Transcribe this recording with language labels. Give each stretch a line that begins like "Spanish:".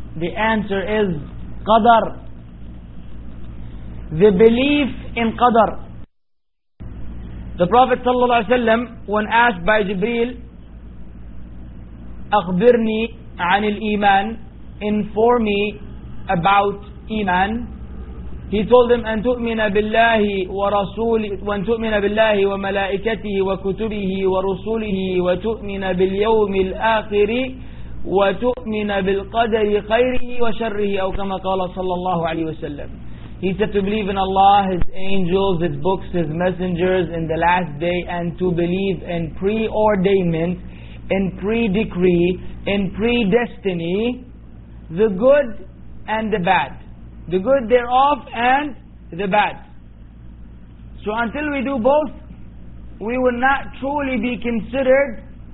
English: The answer is Qadr. The belief in Qadr. The Prophet sallallahu alaihi wasallam, when asked by Jibreel,
Arabic: أخبرني عن الإيمان,
English: inform me about Iman. He told them,
Arabic: أن تؤمن بالله ورسول وأن تؤمن بالله وملائكته وكتبه ورسوله وتؤمن باليوم الآخر وتؤمن بالقدر خيره وشره أو كما قال صلى الله عليه وسلم.
English: He said to believe in Allah, His angels, His books, His messengers in the last day, and to believe in preordainment, in pre-decree, in predestiny, the good and the bad. The good thereof and the bad. So until we do both, we will not truly be considered.